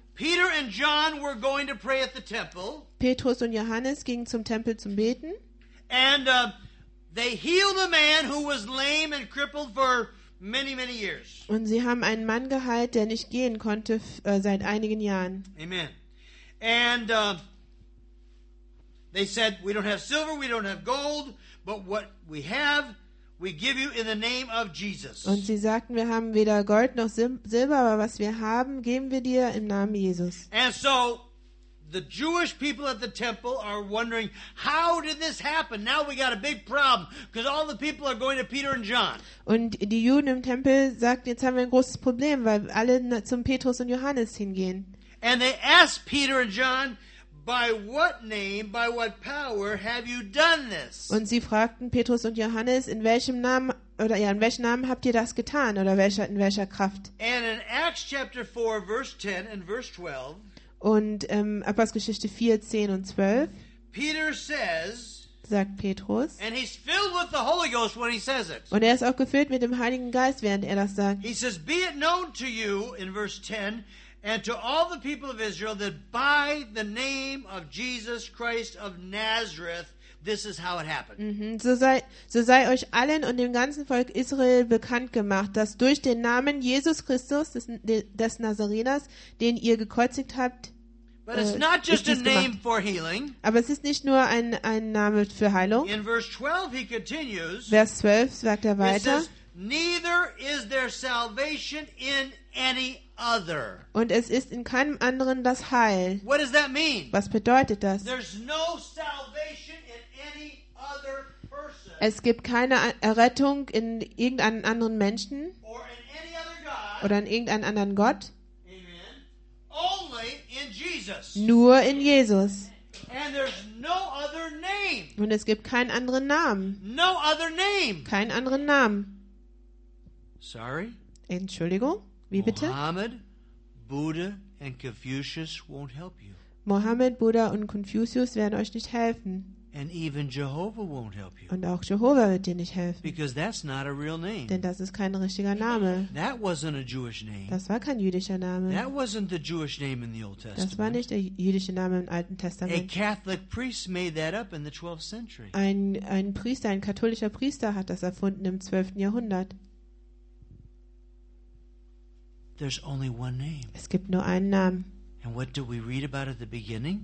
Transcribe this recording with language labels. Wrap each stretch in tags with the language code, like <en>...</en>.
<en>Peter and John were going to pray at the temple.</en> <de>Petrus und Johannes gingen zum Tempel zum Beten.</de> <en>And they healed a man who was lame and crippled for many, many years.</en> <de>Und sie haben einen Mann geheilt, der nicht gehen konnte seit einigen Jahren.</de> <en>Amen. And they said, we don't have silver, we don't have gold, but what we have, we give you in the name of Jesus.</en> <de>Und sie sagten, wir haben weder Gold noch Silber, aber was wir haben, geben wir dir im Namen Jesus.</de> <en>And so the Jewish people at the temple are wondering, how did this happen? Now we got a big problem because all the people are going to Peter and John.</en> <de>Und die Juden im Tempel sagten, jetzt haben wir ein großes Problem, weil alle zum Petrus und Johannes hingehen.</de> <en>And they asked Peter and John, by what name, by what power have you done this?</en> <de>Und sie fragten Petrus und Johannes, in welchem Namen habt ihr das getan oder in welcher Kraft?</de> <en>And in Acts chapter 4 verse 10 and verse 12.</en> <de>Und Apostelgeschichte 4, 10 und 12.</de> <en>Peter says,</en> <de>sagt Petrus.</de> <en>And he's filled with the Holy Ghost when he says it.</en> <de>Und ist auch gefüllt mit dem Heiligen Geist, während das sagt.</de> <en>He says, be it known to you in verse 10 and to all the people of Israel that by the name of Jesus Christ of Nazareth, this is how it happened. Mm-hmm.</en> <de>So sei euch allen und dem ganzen Volk Israel bekannt gemacht, dass durch den Namen Jesus Christus des Nazareners, den ihr gekreuzigt habt,</de> <en>but it's not just a name for healing.</en> <de>Aber es ist nicht nur ein Name für Heilung.</de> <en>In verse 12 he continues,</en> <de>Vers 12 sagt weiter,</de> <en>it says, neither is there salvation in any other.</en> <de>Und es ist in keinem anderen das Heil.</de> <en>What does that mean?</en> <de>Was bedeutet das?</de> <en>There's no salvation in any other person.</en> <de>Es gibt keine Errettung in irgendeinem anderen Menschen</de> <en>or in any other God.</en> <de>Oder in irgendeinem anderen Gott.</de> <en>Amen. Only in Jesus.</en> <de>Nur in Jesus.</de> <en>And there's no other name.</en> <de>Und es gibt keinen anderen Namen.</de> <en>No other name.</en> <de>Keinen anderen Namen.</de> <en>Sorry?</en> <de>Entschuldigung. Wie bitte?</de> <en>Mohammed, Buddha and Confucius won't help you.</en> <de>Mohammed, Buddha und Konfuzius werden euch nicht helfen.</de> <en>And even Jehovah won't help you.</en> <de>Und auch Jehovah wird dir nicht helfen.</de> <en>Because that's not a real name.</en> <de>Denn das ist kein richtiger Name.</de> <en>That wasn't a Jewish name.</en> <de>Das war kein jüdischer Name.</de> <en>That wasn't the Jewish name in the Old Testament.</en> <de>Das war nicht der jüdische Name im Alten Testament.</de> <en>A Catholic priest made that up in the 12th century.</en> <de>Ein katholischer Priester hat das erfunden im 12. Jahrhundert.</de> <en>There's only one name.</en> <de>Es gibt nur einen Namen.</de> <en>And what do we read about at the beginning?</en>